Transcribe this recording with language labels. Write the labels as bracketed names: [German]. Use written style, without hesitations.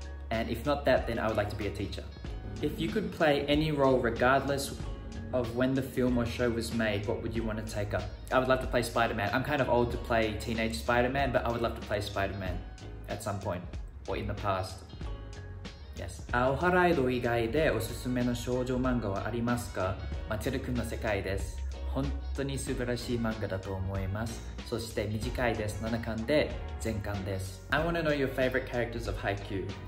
[English] And if not that, then I would like to be a teacher. If you could play any role regardless of when the film or show was made, what would you want to take up? I would love to play Spider-Man. I'm kind of old to play teenage Spider-Man, but I would love to play Spider-Man at some point or in the past. [Japanese] Yes。アオハライド以外でおすすめの少女漫画はありますか？マチェル君の世界です。本当に素晴らしい漫画だと思います。そして短いです。7巻で全巻です。I [English] want to know your favorite characters of Haikyuu.